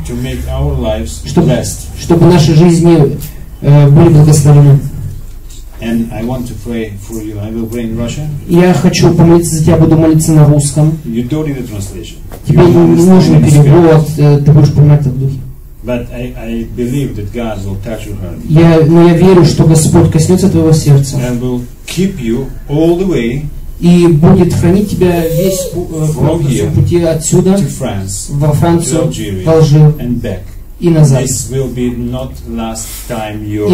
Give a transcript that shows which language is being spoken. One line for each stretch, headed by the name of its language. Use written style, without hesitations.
English: to make our lives
Russian: чтобы наши жизни были благословены.
English: And I want to pray for you. I will pray in Russian.
Russian: Я хочу помолиться за тебя, буду молиться на русском.
English: You don't need a translation.
Russian: Тебе не нужен перевод, ты будешь понимать в духе.
English: But I believe that God will touch your heart.
Russian: Я верю, что Господь коснется твоего сердца.
English: And will keep you all the way.
Russian: И будет хранить тебя весь пути отсюда во Францию, в Алжир
English: and back.
Russian: И назад.
English: This will be not last time you're